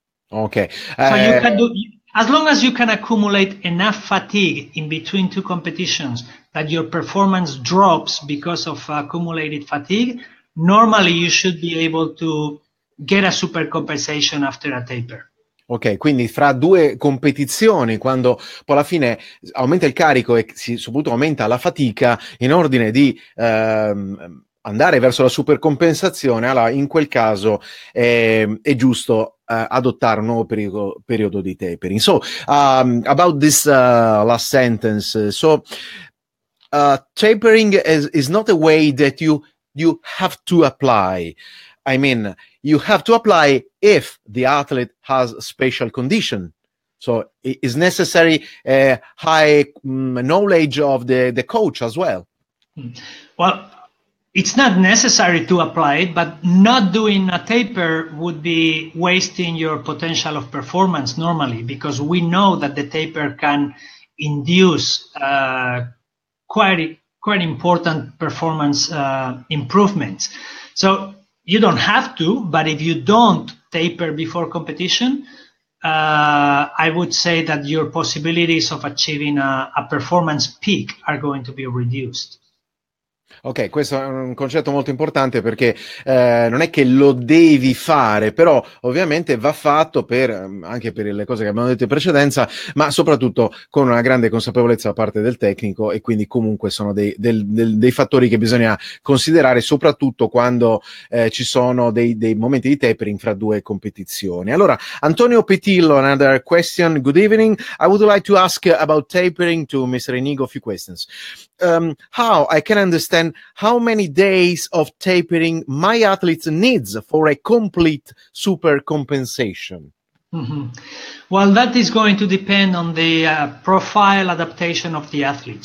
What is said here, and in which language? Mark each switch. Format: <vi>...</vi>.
<en>Okay. So you can do, as long as you can accumulate enough fatigue in between two competitions that your performance drops because of accumulated fatigue, normally you should be able to get a super compensation after a taper.</en> <it>Ok, quindi fra due competizioni, quando poi alla fine aumenta il carico e soprattutto aumenta la fatica, in ordine di andare verso la supercompensazione, allora in quel caso è giusto adottare un nuovo periodo di tapering.</it> <en>So, about this last sentence, so tapering is not a way that you have to apply. I mean, you have to apply if the athlete has a special condition. So it is necessary a high knowledge of the coach as well. Well, it's not necessary to apply it, but not doing a taper would be wasting your potential of performance normally, because we know that the taper can induce quite important performance improvements. So you don't have to, but if you don't taper before competition, I would say that your possibilities of achieving a performance peak are going to be reduced.</en> <it>Ok, questo è un concetto molto importante perché non è che lo devi fare, però ovviamente va fatto per anche per le cose che abbiamo detto in precedenza, ma soprattutto con una grande consapevolezza da parte del tecnico e quindi comunque sono dei fattori che bisogna considerare soprattutto quando ci sono dei momenti di tapering fra due competizioni.</it> <en>Allora, Antonio Petillo, another question, good evening. I would like to ask about tapering to Mr. Inigo a few questions. How I can understand how many days of tapering my athletes needs for a complete super compensation? Mm-hmm. Well, that is going to depend on the profile adaptation of the athlete.</en>